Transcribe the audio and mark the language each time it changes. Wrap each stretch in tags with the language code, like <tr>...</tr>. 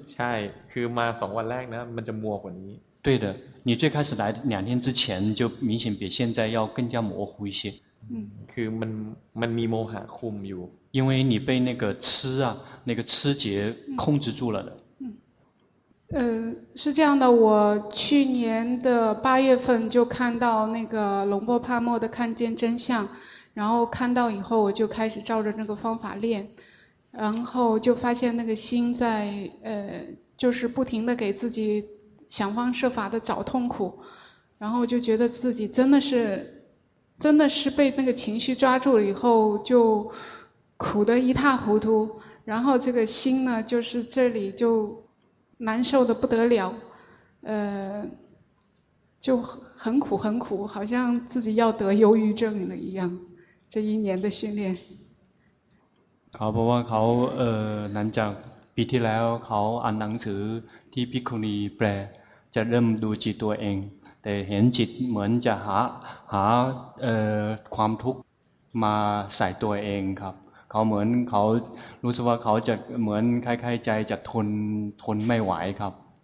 <th>ใช่คือมาสองวันแรกนะมันจะมัวกว่านี้</th> <zh>对的你最开始来两天之前就明显比现在要更加模糊一些</zh> <th>คือมันมีโมหะคุมอยู่</th> <zh>因为你被那个痴啊那个痴结控制住了的是这样的我去年的八月份就看到那个龙波帕默的看见真相然后看到以后我就开始照着那个方法练然后就发现那个心在就是不停的给自己想方设法的找痛苦然后就觉得自己真的是被那个情绪抓住了以后就苦得一塌糊涂然后这个心呢就是这里就难受得不得了就很苦好像自己要得忧郁症了一样这一年的训练</zh> <th>เขาบอกว่าเขาหลังจากปีที่แล้วเขาอ่านหนังสือที่ภิกขุณีแปลจะเริ่มดูจิตตัวเองแต่เห็นจิตเหมือนจะหาความทุกข์มาใส่ตัวเองครับเขาเหมือนเขารู้สึกว่าเขาจะเหมือนคล้ายๆใจจะทนไม่ไหวครับ</th>